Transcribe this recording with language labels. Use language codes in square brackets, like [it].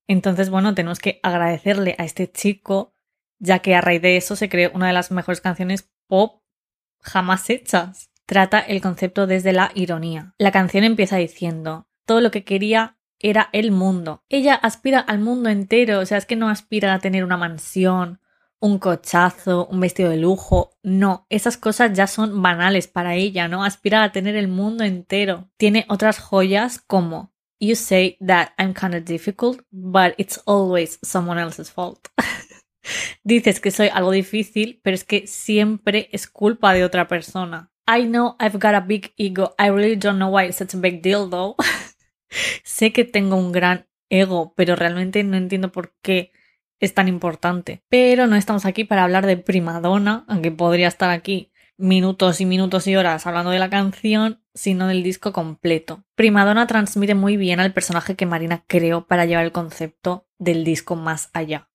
[es] Entonces, bueno, tenemos que agradecerle a este chico, ya que a raíz de eso se creó una de las mejores canciones pop jamás hechas. Trata el concepto desde la ironía. La canción empieza diciendo, todo lo que quería era el mundo. Ella aspira al mundo entero, o sea, es que no aspira a tener una mansión, un cochazo, un vestido de lujo. No, esas cosas ya son banales para ella, ¿no? Aspira a tener el mundo entero. Tiene otras joyas como [en] You say that I'm kind of difficult, but it's always someone else's fault. [es] Dices que soy algo difícil, pero es que siempre es culpa de otra persona. [en] I know I've got a big ego. I really don't know why it's such a big deal, though. [es] Sé que tengo un gran ego, pero realmente no entiendo por qué es tan importante. Pero no estamos aquí para hablar de Primadonna, aunque podría estar aquí minutos y minutos y horas hablando de la canción, sino del disco completo. Primadonna transmite muy bien al personaje que Marina creó para llevar el concepto del disco más allá.